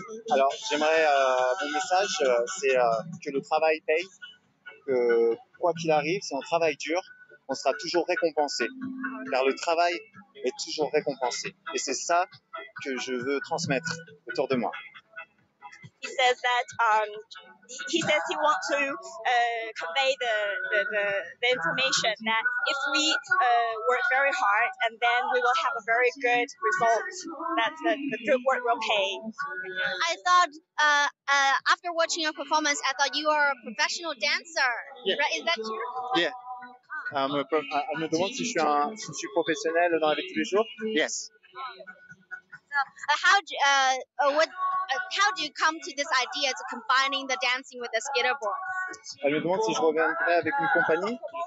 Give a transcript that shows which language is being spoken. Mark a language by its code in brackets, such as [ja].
[fr] Alors, j'aimerais mon message, c'est que le travail paye, que quoi qu'il arrive, si on travaille dur, on sera toujours récompensé, car le travail est toujours récompensé, et c'est ça que je veux transmettre autour de moi. [en] He says that he says he wants to convey the information that if we work very hard and then we will have a very good result, that the good work will pay. I thought after watching your performance, I thought you are a professional dancer. Yeah. Right? Is that true? [fr] Yeah. I'm demande si je suis professionnel dans la vie tous les jours. [en] Yes. How do you come to this idea to combining the dancing with the skateboard? [fr] Elle me demande si je reviendrai avec une compagnie.